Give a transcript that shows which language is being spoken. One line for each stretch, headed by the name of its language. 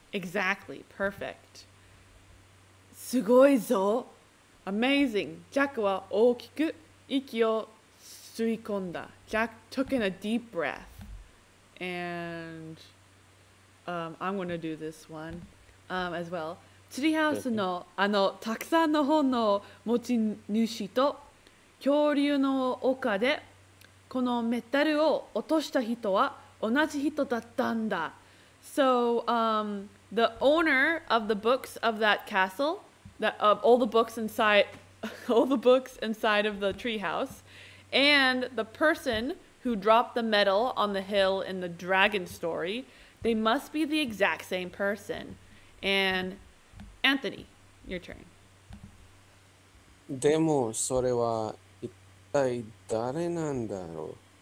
English: Exactly, perfect.
Japanese: Sugoizo,
English: amazing.
Japanese: Jack wa ookiku iki o suikonda.
English: Jack took in a deep breath, and I'm gonna do this one as well.
Japanese: ツリーハウスのあのたくさんの本の持ち主と恐竜の丘でこのメタルを落とした人は同じ人だったんだ。
English: So, the owner of the books of that castle, that of all the books inside, all the books inside of the treehouse, and the person who dropped the medal on the hill in the dragon story, they must be the exact same person. And Anthony, your turn.
Japanese: でもそれは一体誰なんだろう?